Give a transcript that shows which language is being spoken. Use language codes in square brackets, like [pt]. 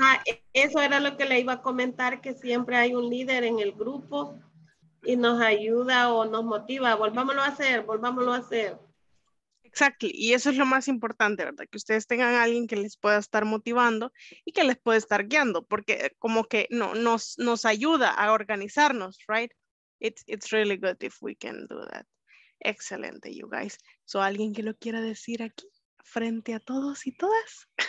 [es] Ajá, eso era lo que le iba a comentar, que siempre hay un líder en el grupo y nos ayuda o nos motiva. Volvámoslo a hacer. [en] Exactly. [es] Y eso es lo más importante, ¿verdad? Que ustedes tengan a alguien que les pueda estar motivando y que les pueda estar guiando, porque como que no, nos ayuda a organizarnos, [en] right? It's really good if we can do that. [es] Excelente, [en] you guys. [es] So, ¿alguien que lo quiera decir aquí, frente a todos y todas?